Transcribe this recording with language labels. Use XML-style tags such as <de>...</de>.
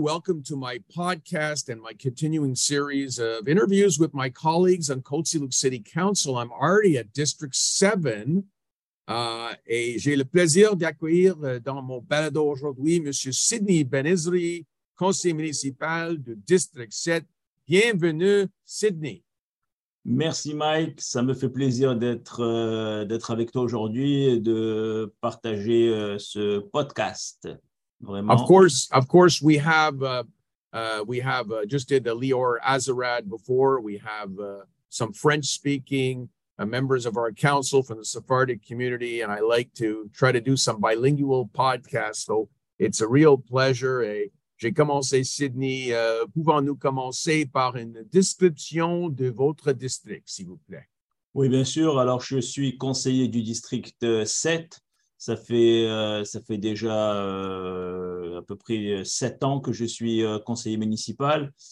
<en>Welcome to my podcast and my continuing series of interviews with my colleagues on Côte Saint-Luc City Council. I'm already at District 7.</en> <fr>Et j'ai le plaisir d'accueillir dans mon balado aujourd'hui Monsieur Sidney Benizri, conseiller municipal de District 7. Bienvenue, Sidney. Merci, Mike. Ça me fait plaisir d'être avec toi aujourd'hui et de partager ce podcast. Vraiment.</fr> <en>Of course, we have just did the Lior Azarad before. We have some French-speaking members of our council from the Sephardic community, and I like to try to do some bilingual podcasts. So it's a real pleasure.</en> <fr>Et j'ai commencé, Sidney. Pouvons-nous commencer par une description de votre district, s'il vous plaît? Oui, bien sûr. Alors, je suis conseiller du district 7. Ça fait déjà à peu près 7 ans que je suis conseiller municipal.</fr>